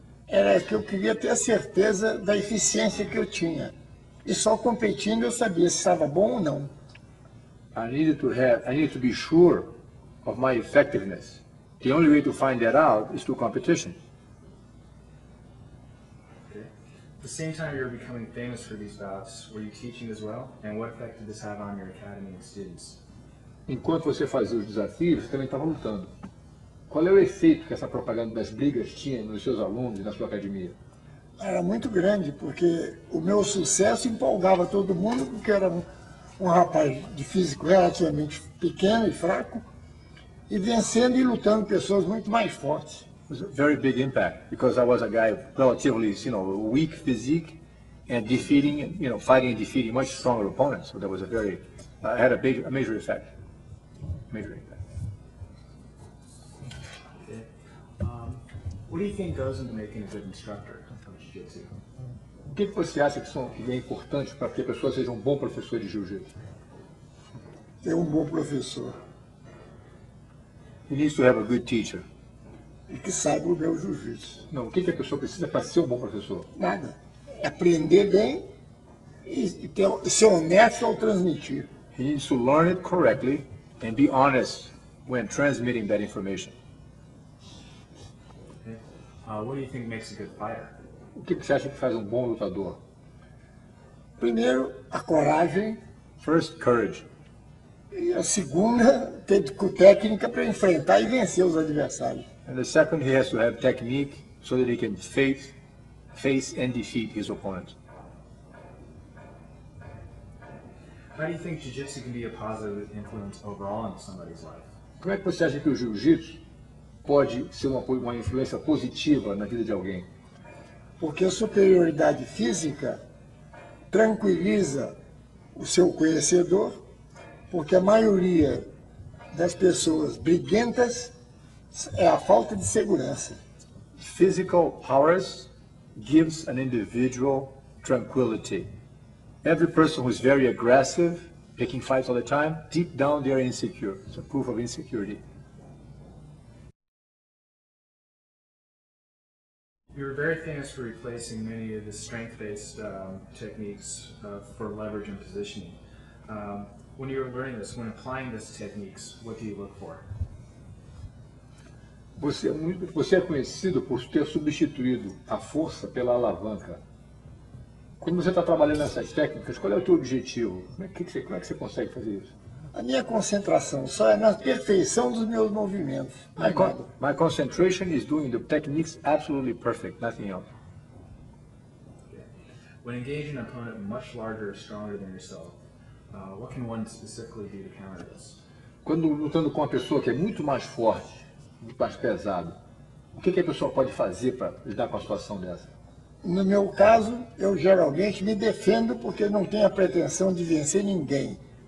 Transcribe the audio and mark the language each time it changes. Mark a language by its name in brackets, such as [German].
[Portuguese] Era que eu queria ter a certeza da eficiência que eu tinha. E só competindo eu sabia se estava bom ou não. [English] I needed to be sure of my effectiveness. The only way to find that out is through competition. Okay. At the same time you're becoming famous for these bouts, were you teaching as well? And what effect did this have on your academy and students? [Portuguese] Enquanto você fazia os desafios, você também estava lutando. Qual é o efeito que essa propaganda das brigas tinha nos seus alunos e na sua academia? Era muito grande, porque o meu sucesso empolgava todo mundo, porque era um rapaz de físico relativamente pequeno e fraco. E vencendo e lutando pessoas muito mais fortes. [English] It was a very big impact because I was a guy relatively, you know, weak physique and defeating, you know, fighting and defeating much stronger opponents. So that was a very, had a big, a major effect. Major impact. Okay. What do you think goes into making a good instructor of jiu-jitsu? [Portuguese] O que você acha que é importante para que a pessoa seja um bom professor de jiu-jitsu? Ter um bom professor. [English] He needs to have a good teacher. [Portuguese] E que saiba o meu jiu-jitsu. Não, o que, que a pessoa precisa para ser um bom professor? Nada. Aprender bem e ter, ser honesto ao transmitir. [English] He needs to learn it correctly and be honest when transmitting that information. Okay. What do you think makes a good fighter? [Portuguese] O que, que você acha que faz um bom lutador? Primeiro, a coragem. [English] First, courage. [Portuguese] E a segunda, ter técnica para enfrentar e vencer os adversários. [English] And the second, he has to have technique so that he can face and defeat his opponent. How do you think jiu-jitsu can be a positive influence overall in somebody's life? [Portuguese] Como é que você acha que o jiu-jitsu pode ser uma influência positiva na vida de alguém? Porque a superioridade física tranquiliza o seu conhecedor, porque a maioria das pessoas briguentas é a falta de segurança. [English] Physical powers gives an individual tranquility. Every person who is very aggressive, picking fights all the time, deep down they are insecure. It's a proof of insecurity. You were very famous for replacing many of the strength-based techniques for leverage and positioning. When you were learning this, when applying these techniques, what do you look for? [Portuguese] Você é conhecido por ter substituído a força pela alavanca. Quando você está trabalhando nessas técnicas, qual é o teu objetivo? Como é que você consegue fazer isso? A minha concentração só é na perfeição dos meus movimentos. [English] My concentration is doing the techniques absolutely perfect, nothing else. When engaging an opponent much larger or stronger than yourself, what can one specifically do to counter this? [Portuguese] Quando lutando com uma pessoa que é muito mais forte, muito mais pesado, o que, que a pessoa pode fazer para lidar com a situação dessa? No meu caso, eu geralmente me defendo porque não tenho a pretensão de vencer ninguém.